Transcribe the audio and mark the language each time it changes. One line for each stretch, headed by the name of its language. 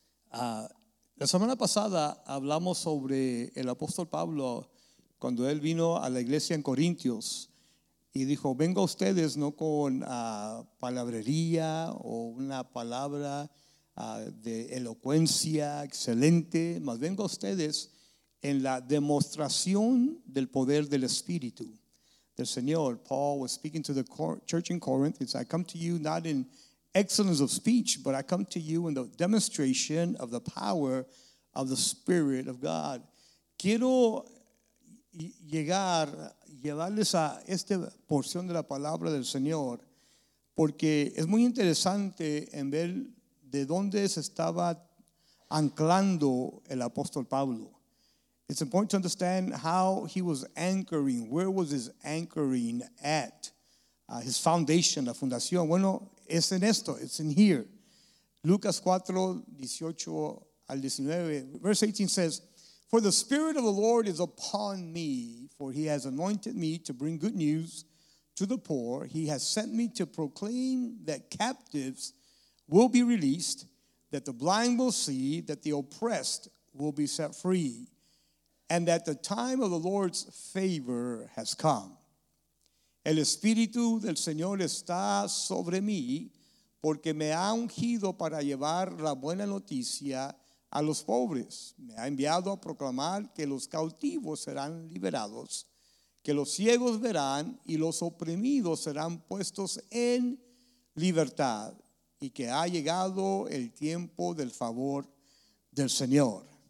Spanish: La semana pasada hablamos sobre el apóstol Pablo cuando él vino a la iglesia en Corintios y dijo: vengo a ustedes no con palabrería o una palabra de elocuencia excelente, mas vengo a ustedes en la demostración del poder del Espíritu.
English: The Señor, Paul was speaking to the church in Corinth. He said, I come to you not in excellence of speech, but I come to you in the demonstration of the power of the Spirit of God.
Spanish: Quiero llegar, llevarles a esta porción de la palabra del Señor, porque es muy interesante en ver de dónde se estaba anclando el apóstol Pablo.
English: It's important to understand how he was anchoring. Where was his anchoring at? His foundation,
Spanish: la fundación. Bueno, es en esto,
English: it's in here.
Spanish: Lucas 4, 18 al 19.
English: Verse 18 says, for the Spirit of the Lord is upon me, for he has anointed me to bring good news to the poor. He has sent me to proclaim that captives will be released, that the blind will see, that the oppressed will be set free, and that the time of the Lord's favor has come.
Spanish: El Espíritu del Señor está sobre mí, porque me ha ungido para llevar la buena noticia a los pobres. Me ha enviado a proclamar que los cautivos serán liberados, que los ciegos verán y los oprimidos serán puestos en libertad, y que ha llegado el tiempo del favor del Señor.